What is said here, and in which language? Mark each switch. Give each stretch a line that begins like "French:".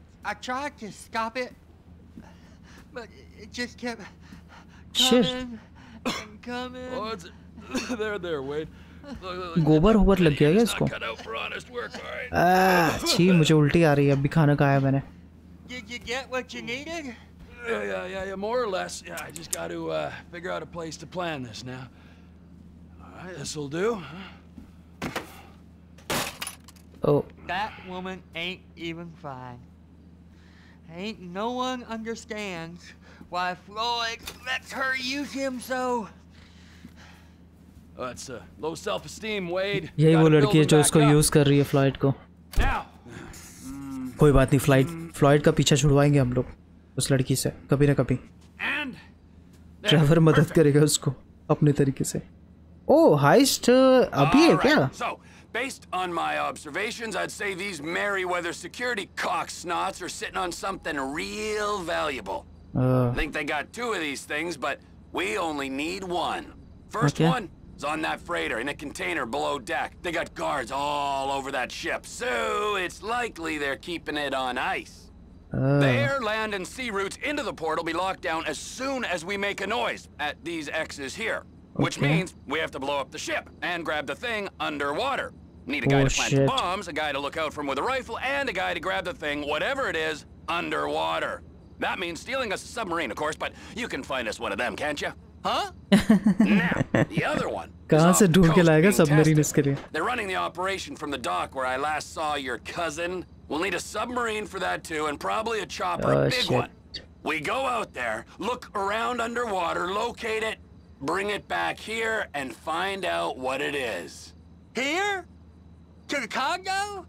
English: I tried to stop it, but it just kept coming and coming. Oh, it's there, Wade.
Hindi: गोबर होबर लग गया क्या इसको. छी मुझे उल्टी आ रही है. अभी खाना खाया मैंने.
English: Did you get what you needed? Yeah, more or less. Yeah, I just got to figure out a place to plan this now. All right, this'll do. Oh. That woman ain't even fine. Ain't no one understands why Floyd lets her use him so. Oh, that's low self-esteem, Wade.
Hindi: यही वो लड़की है जो उसको use कर रही है Floyd को. कोई बात नहीं, फ्लाइट फ्लॉइड का पीछा छुड़वाएंगे हम लोग उस लड़की से कभी ना कभी। ट्रेवर मदद करेगा उसको अपने तरीके से। ओ हाइस्ट अभी है क्या?
English: Based on my observations, I'd say these Merryweather security cocksnots are sitting on something real valuable. I think they got two of these things, but we only need one. First one is on that freighter in a container below deck. They got guards all over that ship, so it's likely they're keeping it on ice. The air, land, and sea routes into the port will be locked down as soon as we make a noise at these X's here. Which means we have to blow up the ship and grab the thing underwater. Need a guy to plant the bombs, a guy to look out from with a rifle, and a guy to grab the thing, whatever it is, underwater. That means stealing us a submarine, of course, but you can find us one of them, can't you? Now, the other one.
Hindi: कहाँ से ढूंढ के लाएगा submarine इसके लिए?
English: They're running the operation from the dock where I last saw your cousin. We'll need a submarine for that too, and probably a chopper, a big one. We go out there, look around underwater, locate it. Bring it back here and find out what it is. Here? To the Congo?